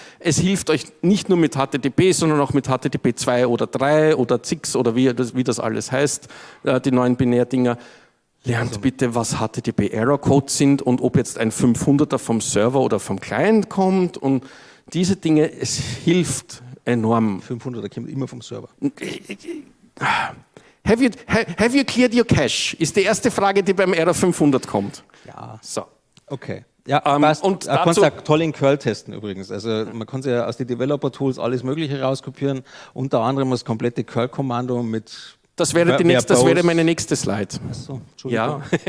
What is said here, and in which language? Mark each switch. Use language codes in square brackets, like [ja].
[de] Es hilft euch nicht nur mit HTTP, sondern auch mit HTTP 2 oder 3 oder 6 oder wie das alles heißt, die neuen Binärdinger. Lernt bitte, was HTTP-Error-Codes sind und ob jetzt ein 500er vom Server oder vom Client kommt. Und diese Dinge, es hilft enorm. 500er kommt immer vom Server. [en] Have you cleared your cache? [de] Ist die erste Frage, die beim Error 500 kommt. Ja. So. Okay. Ja, und man kann es ja toll in Curl testen übrigens. Also man kann es ja aus den Developer-Tools alles Mögliche rauskopieren. Unter anderem das komplette Curl-Kommando mit... Das wäre meine nächste Slide. Ach so, Entschuldigung.